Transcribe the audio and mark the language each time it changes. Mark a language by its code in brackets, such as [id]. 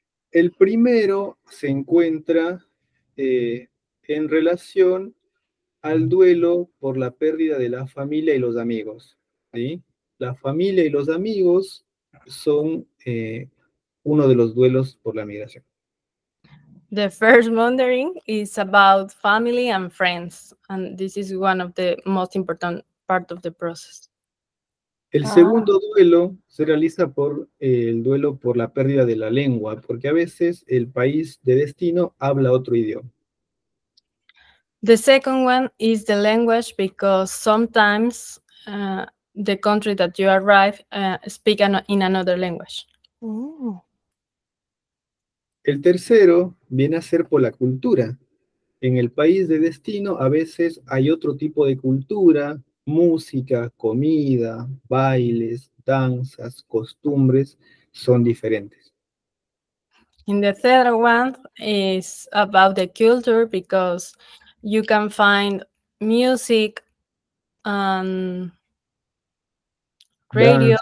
[es] El primero se encuentra en relación al duelo por la pérdida de la familia y los amigos, ¿sí? La familia y los amigos son uno de los duelos por la migración. [en] The first wondering is about family and friends, and this is one of the most important part of the process. [es] El segundo duelo se realiza por el duelo por la pérdida de la lengua, porque a veces el país de destino habla otro idioma. [en] The second one is the language because sometimes the country that you arrive speak in another language. [es] El tercero viene a ser por la cultura. En el país de destino a veces hay otro tipo de cultura, música, comida, bailes, danzas, costumbres, son diferentes. [en] And the third one is about the culture because you can find music and radio